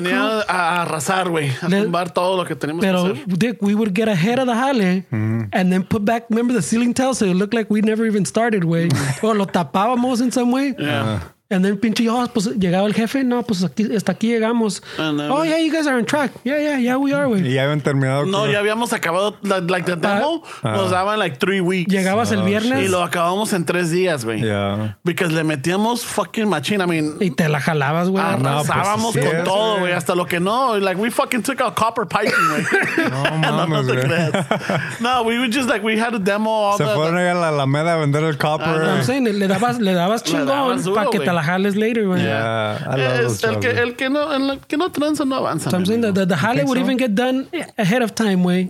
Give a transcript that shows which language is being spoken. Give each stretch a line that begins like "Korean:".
Spanish: Venía a arrasar, güey, a tumbar todo lo que teníamos pero, que hacer.
English: Dick, we would get ahead of the jale and then put back, remember the ceiling tiles, so it looked like we never even started, way.
Spanish: O lo tapábamos in some way.
English: Yeah.
Spanish: And then pinche, oh, pues llegaba el jefe, no, pues aquí, hasta aquí llegamos.
English: Oh, yeah, you guys are on track. Yeah, yeah, yeah, we are, güey.
Spanish: Y ya habían terminado. No, ya habíamos acabado, like the demo, nos daban like 3 weeks. Llegabas el viernes. Y lo acabamos en 3 días, güey.
English: Yeah. Because le metíamos fucking machine, I mean.
Spanish: Y te la jalabas, güey. Arrasábamos no, pues, con sí, todo, güey, hasta lo que no.
English: Like, we fucking took out copper piping, güey.
Spanish: No, mames, güey.
English: No, we would just like, we had a demo all
Spanish: se
English: the
Spanish: se fueron
English: like,
Spanish: a la Alameda a vender el copper.
English: I'm saying, le dabas chingón para que la jales later, man.
Spanish: El que no transa no avanza.
English: So I'm saying that the jale would even get done ahead of time, way.